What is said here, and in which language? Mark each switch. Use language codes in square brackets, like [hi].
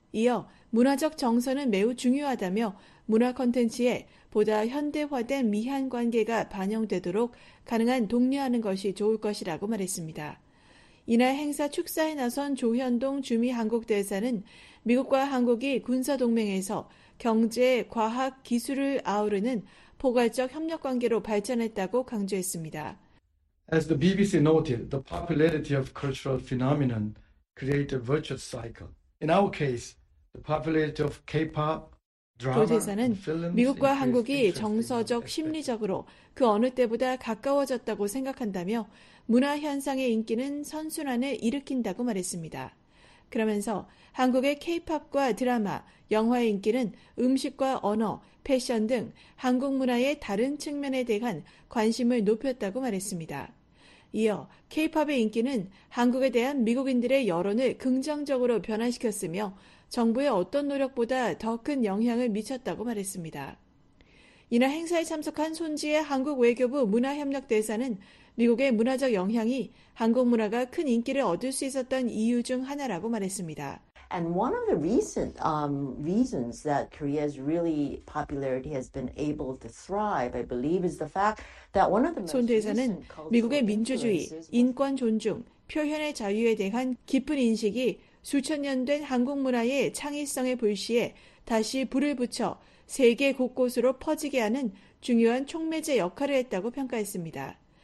[ko] 이어 문화적 정서는 매우 중요하다며 문화 콘텐츠에 보다 현대화된 미한 관계가 반영되도록 가능한 독려하는 것이 좋을 것이라고 말했습니다. 이날 행사 축사에 나선 조현동 주미 한국대사는 미국과 한국이 군사동맹에서 경제, 과학, 기술을 아우르는 포괄적 협력 관계로 발전했다고 강조했습니다. [en] As the BBC noted, the popularity of cultural phenomenon creates a virtuous cycle. In our case, the popularity of K-pop, [ko] 조 대사는 미국과 한국이 정서적, 심리적으로 그 어느 때보다 가까워졌다고 생각한다며 문화현상의 인기는 선순환을 일으킨다고 말했습니다. 그러면서 한국의 K-POP과 드라마, 영화의 인기는 음식과 언어, 패션 등 한국 문화의 다른 측면에 대한 관심을 높였다고 말했습니다. 이어 K-POP의 인기는 한국에 대한 미국인들의 여론을 긍정적으로 변화시켰으며 정부의 어떤 노력보다 더 큰 영향을 미쳤다고 말했습니다. 이날 행사에 참석한 손지혜 한국 외교부 문화협력대사는 미국의 문화적 영향이 한국 문화가 큰 인기를 얻을 수 있었던 이유 중 하나라고 말했습니다. [en] And one of the recent reasons that Korea's really popularity has been able to thrive, I believe, is the fact that one of the [ko] 손 대사는 미국의 민주주의, 인권 존중, 표현의 자유에 대한 깊은 인식이 수천 년 된 한국 문화의 창의성의 불씨에 다시 불을 붙여 세계 곳곳으로 퍼지게 하는 중요한 촉매제 역할을 했다고 평가했습니다.